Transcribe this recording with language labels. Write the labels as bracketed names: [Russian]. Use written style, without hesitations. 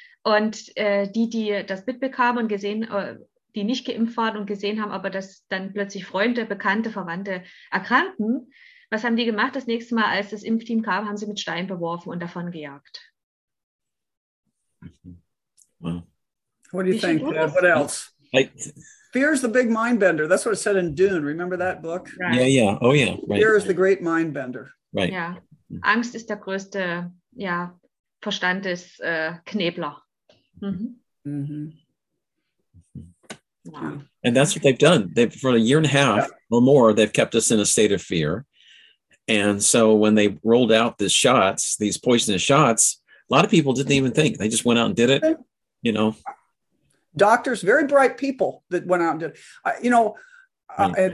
[German] Und die das mitbekamen und gesehen, die nicht geimpft waren und gesehen haben, aber dass dann plötzlich Freunde, Bekannte, Verwandte erkranken, was haben die gemacht? Das nächste Mal, als das Impfteam kam, haben sie mit Steinen beworfen und davon gejagt. [English] What do you think? What else? I, Fear is the big mind bender. That's what it said in Dune. Remember that book? Right. Yeah, yeah. Oh, yeah. Right. Fear is the great mind bender. Right. Yeah. [German] Angst ist der größte, ja, Verstandes Knebler. [English] Mm-hmm. Mm-hmm. Wow. And that's what they've done. They've, for a year and a half or more, they've kept us in a state of fear. And so when they rolled out the shots, these poisonous shots, a lot of people didn't even think. They just went out and did it, you know. Doctors, very bright people that went out and did it. You know, yeah.